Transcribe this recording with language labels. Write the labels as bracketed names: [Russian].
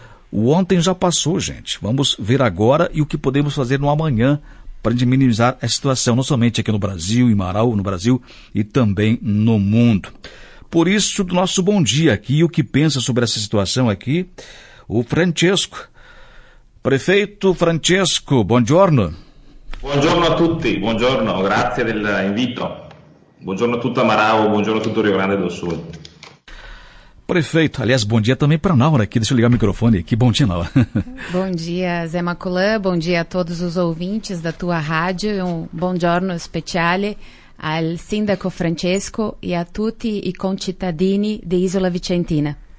[Portuguese] O ontem já passou, gente. Vamos ver agora e o que podemos fazer no amanhã para minimizar a situação, não somente aqui no Brasil, em Marau, no Brasil e também no mundo. Por isso, do nosso bom dia aqui, o que pensa sobre essa situação aqui, o Francesco. [Italian] Prefeito Francesco, buongiorno. Buongiorno a tutti, buongiorno, grazie del invito. Buongiorno a tutta Marau, buongiorno a tutto Rio Grande do Sul. [Portuguese] Prefeito, aliás, bom dia também para a Naura aqui, deixa eu ligar o microfone aqui, bom dia, Naura. Bom dia, Zé Maculã, bom dia a todos os ouvintes da tua rádio, um [Italian] buongiorno speciale al sindaco Francesco e a tutti i concittadini di Isola Vicentina.